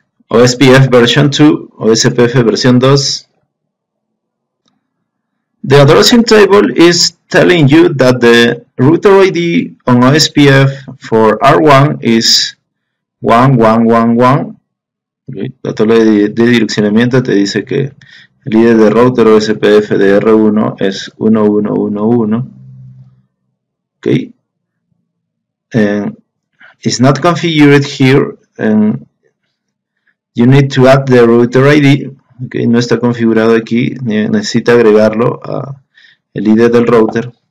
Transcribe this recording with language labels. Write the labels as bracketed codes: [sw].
[en] OSPF version 2, OSPF version 2. The addressing table is telling you that the router ID on OSPF for R1 is 1111. [es] La tabla de direccionamiento te dice que el ID de router OSPF de R1 es 1111. [en] Okay. And it's not configured here. And you need to add the router ID. [es] Okay, no está configurado aquí, necesita agregarlo a el ID del router.